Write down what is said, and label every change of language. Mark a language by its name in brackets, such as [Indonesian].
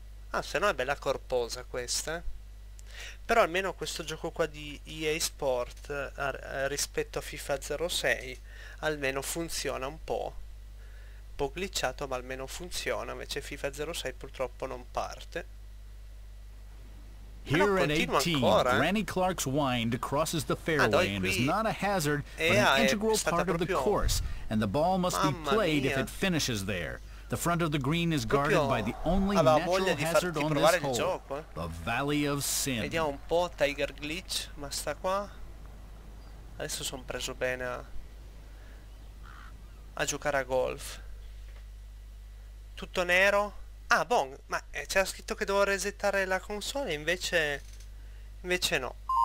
[Italian] Ah, se no è bella corposa questa, eh. Però almeno questo gioco qua di EA Sport rispetto a FIFA 06 almeno funziona un po' glitchato, ma almeno funziona. Invece FIFA 06 purtroppo non parte. [English] Here at 18, Granny Clark's Wind crosses the fairway and is not a hazard, but an integral part of the course, and the ball must be played if it finishes there. The front of the green is guarded by the only natural hazard on this hole, the Valley of Sin. [Italian] Vediamo un po' Tiger glitch, ma sta qua. Adesso sono preso bene a giocare a golf. Tutto nero. Ah, bon, ma c'era scritto che dovevo resettare la console, invece no.